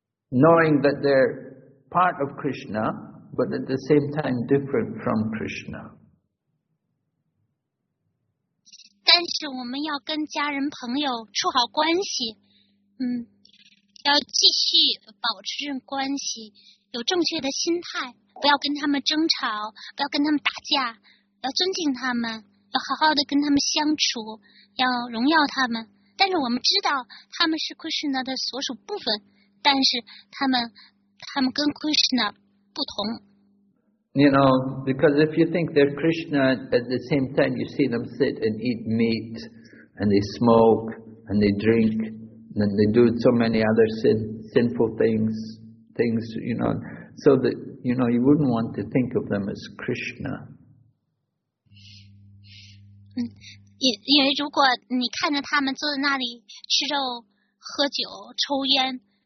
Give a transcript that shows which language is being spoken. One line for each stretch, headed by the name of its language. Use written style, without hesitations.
English: Knowing that they're part of Krishna, but at the same time different from Krishna.
Chinese: 但是我们要跟家人朋友处好关系，要继续保持关系，有正确的心态，不要跟他们争吵，不要跟他们打架，要尊敬他们，要好好的跟他们相处，要荣耀他们。但是我们知道他们是 Krishna 的所属部分。但是他们跟 Krishna 不同。
English: You know, because if you think they're Krishna, at the same time you see them sit and eat meat, and they smoke, and they drink, and they do so many other sinful things, you know, so that, you know, you wouldn't want to think of them as Krishna.
Chinese: 因为如果你看着他们坐在那里吃肉、喝酒、抽烟。